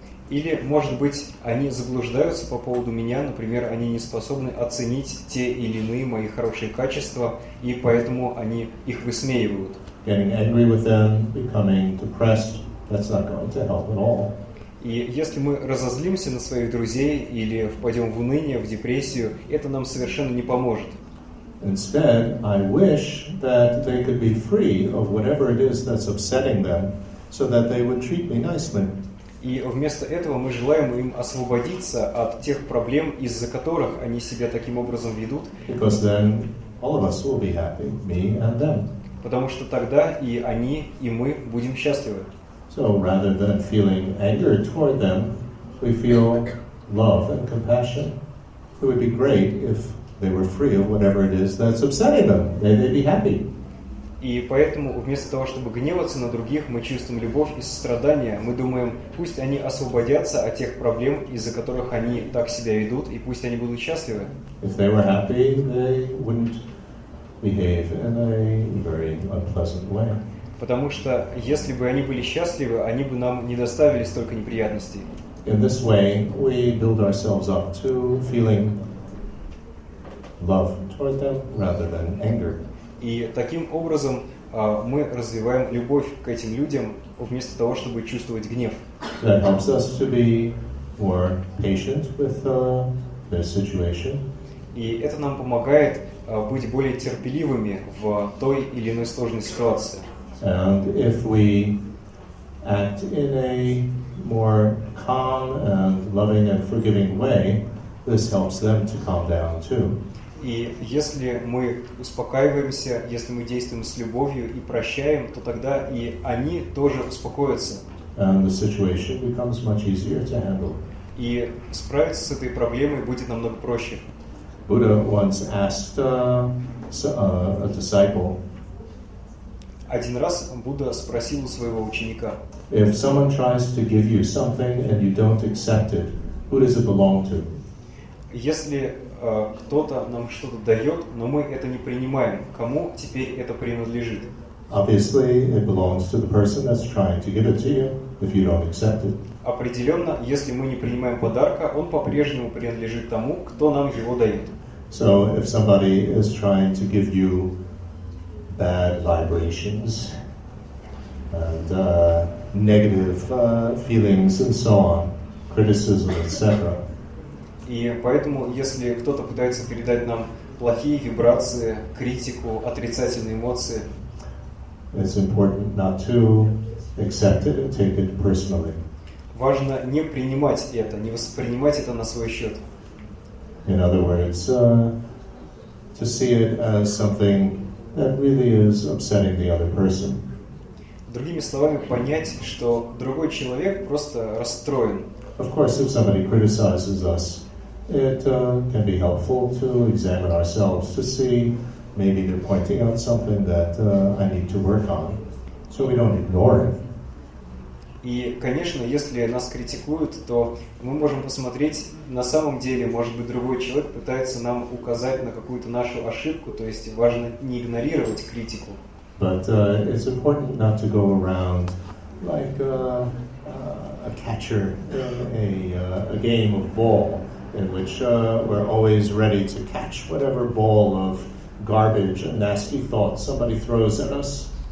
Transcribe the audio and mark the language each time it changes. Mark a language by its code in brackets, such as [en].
[ru] Или, может быть, они заблуждаются по поводу меня, например, они не способны оценить те или иные мои хорошие качества, и поэтому они их высмеивают. [en] Getting angry with them, becoming depressed, that's not going to help at all. [ru] И если мы разозлимся на своих друзей или впадем в уныние, в депрессию, это нам совершенно не поможет. [en] Instead, I wish that they could be free of whatever it is that's upsetting them, so that they would treat me nicely. [ru] И вместо этого мы желаем им освободиться от тех проблем, из-за которых они себя таким образом ведут. [en] Because then all of us will be happy, me and them. [ru] Потому что тогда и они, и мы будем счастливы. [en] So rather than feeling anger toward them, we feel love and compassion. It would be great if they were free of whatever it is that's upsetting them. Then they'd be happy. [ru] И поэтому вместо того, чтобы гневаться на других, мы чувствуем любовь и сострадание. Мы думаем, пусть они освободятся от тех проблем, из-за которых они так себя ведут, и пусть они будут счастливы. [en] If they were happy, they wouldn't behave in a very unpleasant way. [ru] Потому что если бы они были счастливы, они бы нам не доставили столько неприятностей. [en] In this way, we build ourselves up to feeling love toward them rather than anger. [ru] И таким образом мы развиваем любовь к этим людям вместо того, чтобы чувствовать гнев. [en] That helps us to be more patient with their situation. [ru] И это нам помогает быть более терпеливыми в той или иной сложной ситуации. [en] And if we act in a more calm and loving and forgiving way, this helps them to calm down too. [ru] И если мы успокаиваемся, если мы действуем с любовью и прощаем, то тогда и они тоже успокоятся. [en] And the situation becomes much easier to handle. [ru] И справиться с этой проблемой будет намного проще. [en] Buddha once asked a disciple. [ru] Один раз Будда спросил у своего ученика. [en] If someone tries to give you something and you don't accept it, who does it belong to? [ru] Если кто-то нам что-то дает, но мы это не принимаем, кому теперь это принадлежит? [en] Obviously, it belongs to the person that's trying to give it to you if you don't accept it. [ru] Определенно, если мы не принимаем подарка, он по-прежнему принадлежит тому, кто нам его дает. [en] So, if somebody is trying to give you bad vibrations and negative feelings and so on, criticism, etc. [ru] И поэтому, если кто-то пытается передать нам плохие вибрации, критику, отрицательные эмоции, [en] it's important not to accept it and take it personally. [ru] Важно не принимать это, не воспринимать это на свой счет. [en] In other words, to see it as something that really is upsetting the other person. [ru] Другими словами, понять, что другой человек просто расстроен. [en] Of course, if somebody criticizes us, it can be helpful to examine ourselves to see maybe they're pointing out something that I need to work on, so we don't ignore it. [ru] И, конечно, если нас критикуют, то мы можем посмотреть, на самом деле, может быть, другой человек пытается нам указать на какую-то нашу ошибку, то есть важно не игнорировать критику. [en] But it's important not to go around like a catcher in a game of ball, in which we're always ready to catch whatever ball of garbage and nasty thoughts somebody throws at us.